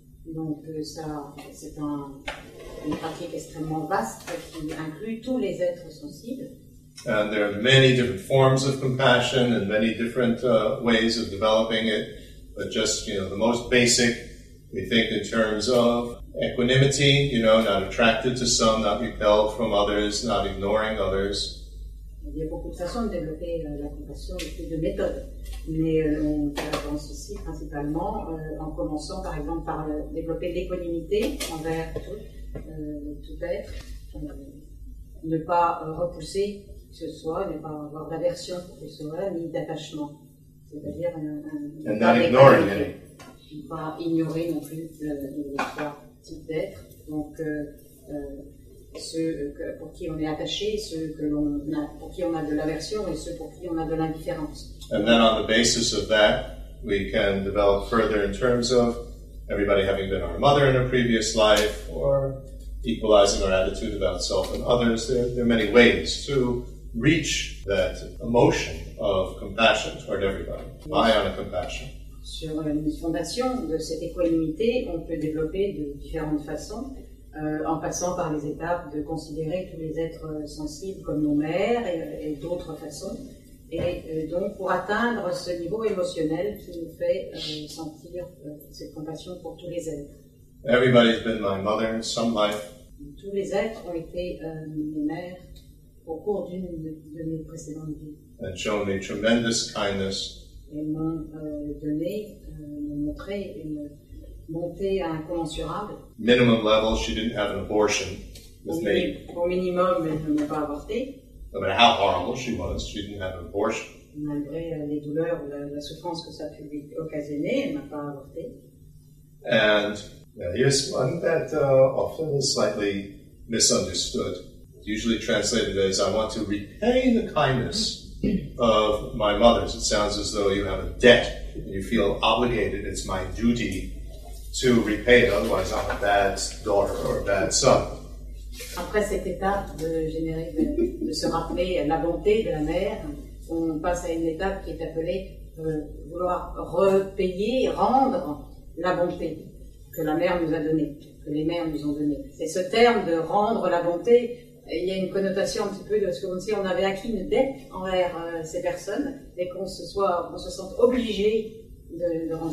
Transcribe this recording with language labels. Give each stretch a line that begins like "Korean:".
French: Donc, ça, c'est une pratique extrêmement vaste qui inclut tous les êtres sensibles.
English: And there are many different forms of compassion and many different ways of developing it. But just, you know, the most basic, we think in terms of equanimity, you know, not attracted to some, not repelled from others, not ignoring others.
French: Il y a beaucoup de façons de développer la compassion et de méthodes. Mais on avance aussi principalement en commençant, par exemple, par développer l'équanimité envers tout être. Ne pas repousser que ce soit, ne pas avoir d'aversion pour que ce soit, ni d'attachement. C'est-à-dire ne pas ignorer non plus le type d'être. Donc, ceux pour qui on est attaché, ceux que l'on a, pour qui on a de l'aversion et ceux pour qui on a de l'indifférence.
English: And then on the basis of that, we can develop further in terms of everybody having been our mother in a previous life or equalizing our attitude about self and others. There are many ways to reach that emotion of compassion toward everybody. Mahayana compassion.
French: Sur une fondation de cette équanimité, on peut développer de différentes façons. En passant par les étapes de considérer tous les êtres sensibles comme nos mères et d'autres façons. Et donc pour atteindre ce niveau émotionnel qui nous fait sentir cette compassion pour tous les êtres.
English: Everybody's been my mother in some life.
French: tous les êtres ont été mes mères au cours d'une de mes précédentes vies.
English: And shown me tremendous kindness.
French: Et m'ont donné, m'ont montré une montée incommensurable.
English: Minimum level, she didn't have an abortion with me.
French: Au minimum, elle n'a pas avorté.
English: No matter how horrible she was, she didn't have an abortion.
French: Malgré les douleurs, la souffrance que ça a pu lui occasionner, elle n'a pas avorté.
English: And here's one that often is slightly misunderstood. It's usually translated as, I want to repay the kindness of my mother's. It sounds as though you have a debt and you feel obligated. It's my duty to repay it, otherwise I'm a bad daughter or a bad son.
French: Après cette étape de générer, de se rappeler la bonté de la mère, on passe à une étape qui est appelée vouloir repayer, rendre la bonté que la mère nous a donnée, que les mères nous ont donnée. C'est ce terme de rendre la bonté, il y a une connotation un petit peu de ce qu'on dit, on avait acquis une dette envers ces personnes et qu'on se soit, qu'on se sente obligé de rendre.